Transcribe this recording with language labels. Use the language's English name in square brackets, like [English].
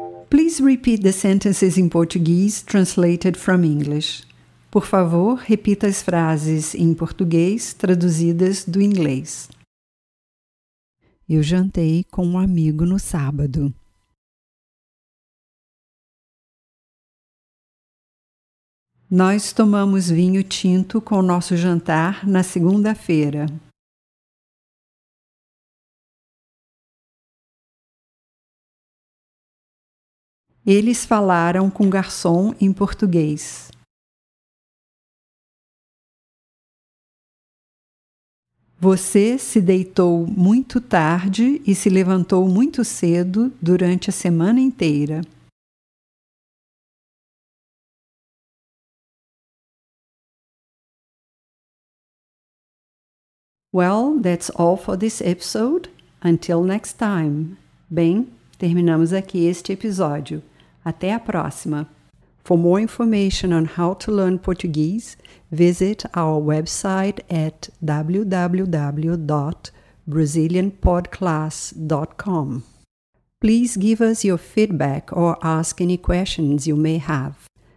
[English] Please repeat the sentences in Portuguese translated from English. [Portuguese] Por favor, repita as frases em português traduzidas do inglês. Eu jantei com um amigo no sábado. Nós tomamos vinho tinto com o nosso jantar na segunda-feira. Eles falaram com o garçom em português. Você se deitou muito tarde e se levantou muito cedo durante a semana inteira. [English] Well, that's all for this episode. Until next time. [Portuguese] Bem, terminamos aqui este episódio. Até a próxima. [English] For more information on how to learn Portuguese, visit our website at www.brazilianpodclass.com. Please give us your feedback or ask any questions you may have.